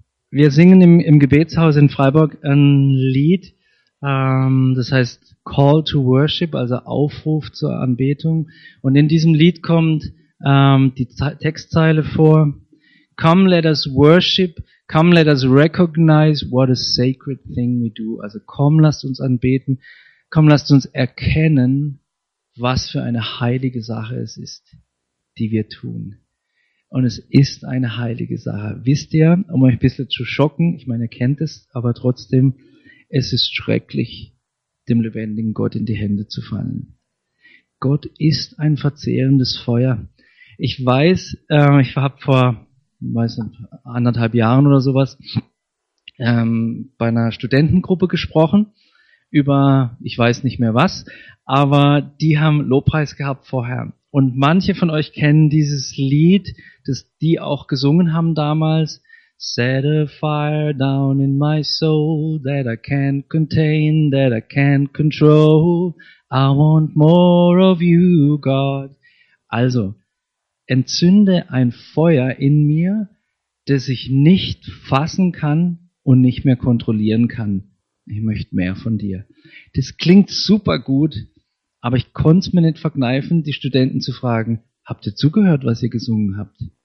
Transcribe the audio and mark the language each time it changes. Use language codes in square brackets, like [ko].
[de] Wir singen im Gebetshaus in Freiburg ein Lied, das heißt Call to Worship, also Aufruf zur Anbetung. Und in diesem Lied kommt die Textzeile vor: [en] Come, let us worship. Come, let us recognize what a sacred thing we do. [de] Also komm, lasst uns anbeten. Komm, lasst uns erkennen, was für eine heilige Sache es ist, die wir tun. Und es ist eine heilige Sache. Wisst ihr, um euch ein bisschen zu schocken, ich meine, ihr kennt es, aber trotzdem, es ist schrecklich, dem lebendigen Gott in die Hände zu fallen. Gott ist ein verzehrendes Feuer. Ich weiß, ich habe vor, weiß nicht, anderthalb Jahren oder sowas, bei einer Studentengruppe gesprochen über, ich weiß nicht mehr was, aber die haben Lobpreis gehabt vorher. Und manche von euch kennen dieses Lied, das die auch gesungen haben damals. [en] Set a fire down in my soul that I can't contain, that I can't control. I want more of you, God. [de] Also, entzünde ein Feuer in mir, das ich nicht fassen kann und nicht mehr kontrollieren kann. Ich möchte mehr von dir. Das klingt super gut. Aber ich konnte es mir nicht verkneifen, die Studenten zu fragen, habt ihr zugehört, was ihr gesungen habt?